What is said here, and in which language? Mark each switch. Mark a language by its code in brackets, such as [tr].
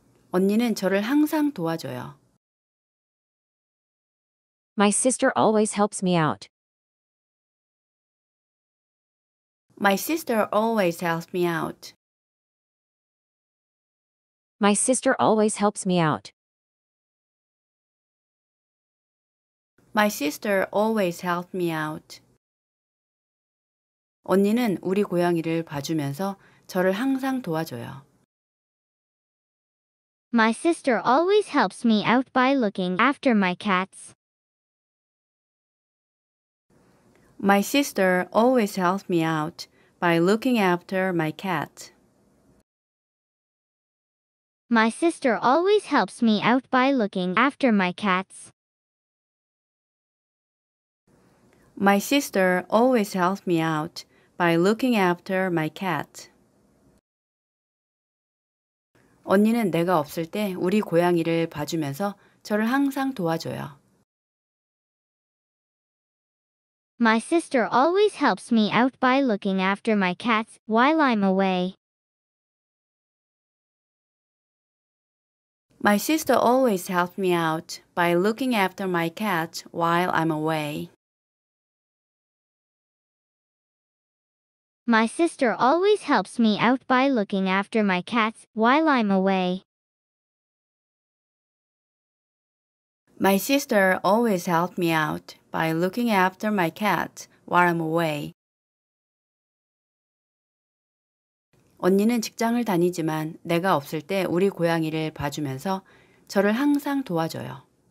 [ko] 언니는 저를 항상 도와줘요. [en] My sister always helps me out. My sister always helps me out. My sister always helps me out. My sister always helped me out. [ko] 언니는 우리 고양이를 봐주면서 저를 항상 도와줘요. [en] My sister always helps me out by looking after my cats. My sister always helps me out by looking after my cat. My sister always helps me out by looking after my cats. My sister always helps me out by looking after my cat. [ko] 언니는 내가 없을 때 우리 고양이를 봐주면서 저를 항상 도와줘요. [en] My sister always helps me out by looking after my cats while I'm away. My sister always helps me out by looking after my cats while I'm away. My sister always helps me out by looking after my cats while I'm away. My sister always helps me out by looking after my cats while I'm away. [ko] 언니는 직장을 다니지만 내가 없을 때 우리 고양이를 봐주면서 저를 항상 도와줘요.